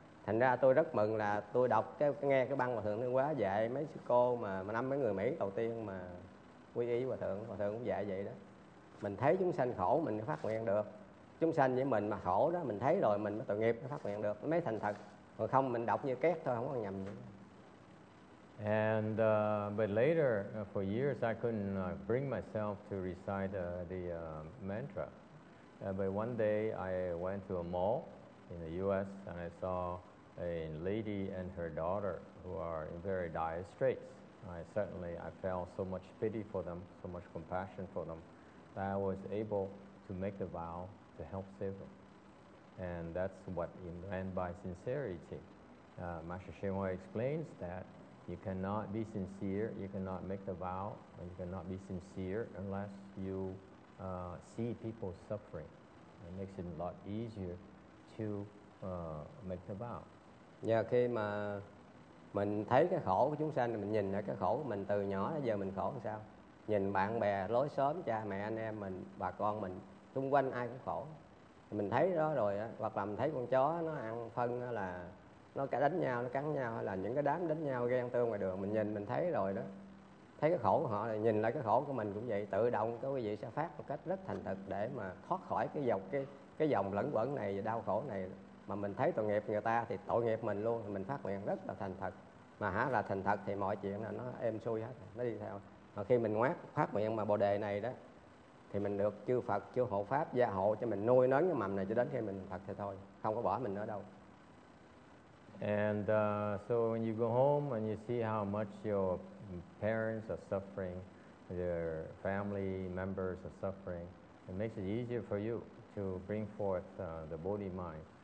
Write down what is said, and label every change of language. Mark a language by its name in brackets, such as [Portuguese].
[Vietnamese] Thành ra tôi rất mừng là tôi đọc, nghe cái băng Hòa Thượng Thiên Hóa dạy mấy sư cô mà năm mấy người Mỹ đầu tiên mà quy y Hòa Thượng cũng dạy vậy đó. Mình thấy chúng sanh khổ mình mới phát nguyện được. Chúng sanh với mình mà khổ đó, mình thấy rồi mình mới tội nghiệp mới phát nguyện được, mới thành thật. Còn không mình đọc như két thôi, không có nhầm gì. [English] And but later, for years, I couldn't bring myself to recite the mantra. But one day, I went to a mall in the U.S. and I saw a lady and her daughter who are in very dire straits. I certainly I felt so much pity for them, so much compassion for them, that I was able to make the vow to help save them. And that's what he meant by sincerity. Master Shenhua explains that you cannot be sincere, you cannot make the vow, and you cannot be sincere unless you see people suffering. It makes it a lot easier to make the vow. [Vietnamese] Yeah, khi mà mình thấy cái khổ của chúng sanh, mình nhìn ra cái khổ của mình từ nhỏ đến giờ mình khổ làm sao? Nhìn bạn bè, lối xóm, cha mẹ, anh em mình, bà con mình, xung quanh ai cũng khổ. Mình thấy đó rồi á, hoặc là mình thấy con chó nó ăn phân là nó cả đánh nhau, nó cắn nhau, hay là những cái đám đánh nhau ghen tương ngoài đường, mình nhìn mình thấy rồi đó, thấy cái khổ của họ, nhìn lại cái khổ của mình cũng vậy, tự động cái quý vị sẽ phát một cách rất thành thực để mà thoát khỏi cái dòng cái dòng lẫn quẩn này và đau khổ này. Mà mình thấy tội nghiệp người ta thì tội nghiệp mình luôn, mình phát nguyện rất là thành thật, mà hả là thành thật thì mọi chuyện là nó êm xuôi hết, nó đi theo. Mà khi mình ngoát phát nguyện mà bồ đề này đó, thì mình được chư Phật, chư hộ pháp gia hộ cho mình nuôi nấng cái mầm này cho đến khi mình Phật thì thôi, không có bỏ mình nữa đâu. [English] And so when you go home and you see how much your parents are suffering, your family members are suffering, it makes it easier for you to bring forth the Bodhi mind.